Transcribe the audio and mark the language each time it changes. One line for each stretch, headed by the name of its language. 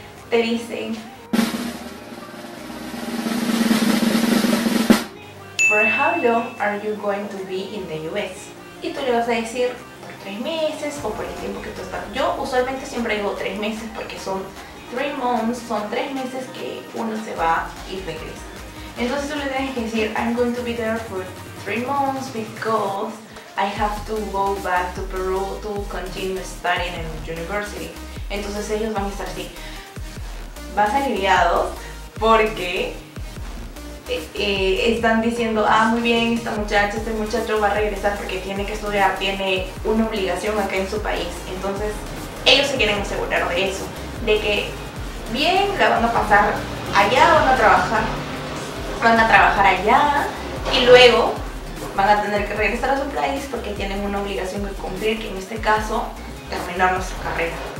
Spanish: Te dicen,
English: For how long are you going to be in the US?
Spanish: Y tú le vas a decir, ¿por 3 meses o por el tiempo que tú estás. Yo usualmente siempre digo 3 meses porque son 3 months, son 3 meses que uno se va y regresa. Entonces tú le tienes que decir,
English: I'm going to be there for 3 months because I have to go back to Peru to continue studying in university.
Spanish: Entonces ellos van a estar así, vas aliviado porque están diciendo, ah, muy bien, esta muchacha, este muchacho va a regresar porque tiene que estudiar, tiene una obligación acá en su país. Entonces ellos se quieren asegurar de eso, de que bien la van a pasar allá, van a trabajar allá y luego van a tener que regresar a su país porque tienen una obligación que cumplir, que en este caso terminar nuestra carrera.